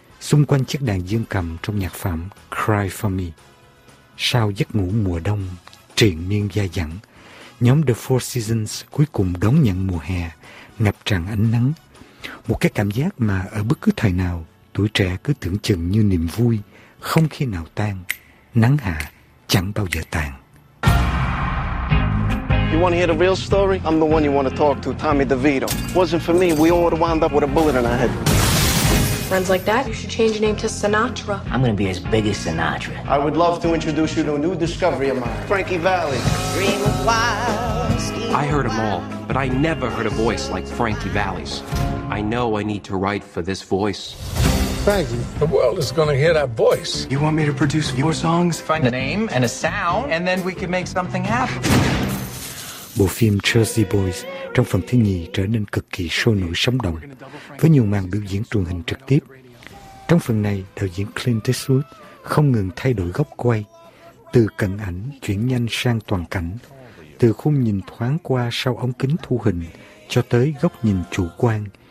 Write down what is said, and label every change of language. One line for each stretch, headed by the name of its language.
Vietnamese: xung quanh chiếc đàn dương cầm trong nhạc phẩm Cry For Me. Sau giấc ngủ mùa đông, triền miên dai dẳng, nhóm The Four Seasons cuối cùng đón nhận mùa hè, ngập tràn ánh nắng. Một cái cảm giác mà ở bất cứ thời nào, tuổi trẻ cứ tưởng chừng như niềm vui, không khi nào tan, nắng hạ chẳng bao giờ tàn.
English: You want to hear the real story? I'm the one you want to talk to, Tommy DeVito. Wasn't for me, we all would have wound up with a bullet in our head. Friends like that, you should change your name to Sinatra. I'm going to be as big as Sinatra. I would love to introduce you to a new discovery of mine, Frankie Valli. Dream wild, I heard them all, but I never heard a voice like Frankie Valli's. I know I need to write for this voice. Frankie, the world is going to hear that voice. You want me to produce your songs? Find a name and a sound, and then we can make something happen.
Vietnamese: Bộ phim Jersey Boys trong phần thứ nhì trở nên cực kỳ sôi nổi sống động, với nhiều màn biểu diễn truyền hình trực tiếp. Trong phần này, đạo diễn Clint Eastwood không ngừng thay đổi góc quay, từ cận ảnh chuyển nhanh sang toàn cảnh, từ khung nhìn thoáng qua sau ống kính thu hình cho tới góc nhìn chủ quan.